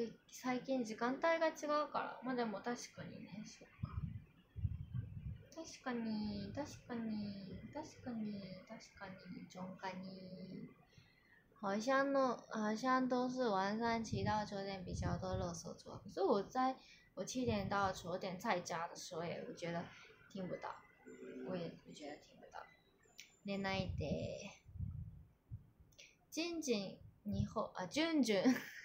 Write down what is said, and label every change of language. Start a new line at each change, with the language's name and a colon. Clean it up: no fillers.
Japanese: 最近時間帯が違うから、まあでも確かにね、そう。確かに、確かに、確かに、確かに、ジョンカニ。
Chinese: 好像都是晚上7到9点比较多垃圾车。可是我7点到9点在家的时候我觉得听不到，我也不觉得听不到。
Japanese: 寝ないで。ジュンジュン日本啊，ジュンジュン。